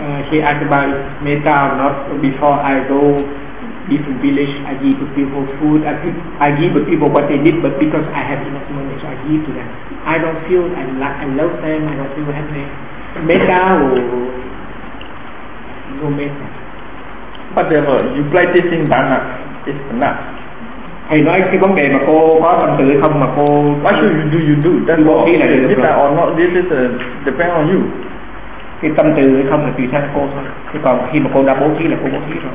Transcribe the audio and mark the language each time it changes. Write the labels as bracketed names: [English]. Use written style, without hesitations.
[English] She asked about metta or not before I go. Different village, I give people food, I give people what they need, but because I have enough money, so I give to them. I don't feel I love them, I don't feel happy. Metta or no metta? Whatever, you play this in Dharma, it's enough. [Vietnamese] Thầy nói cái vấn đề mà cô có tâm tự không mà cô... [English] What should you do? You do. That's what you do. Metta or not, this is depend on you. [Vietnamese] Cái tâm từ hay không là tùy theo cô thôi. Thế còn khi mà cô đã bố thí là cô bố thí rồi.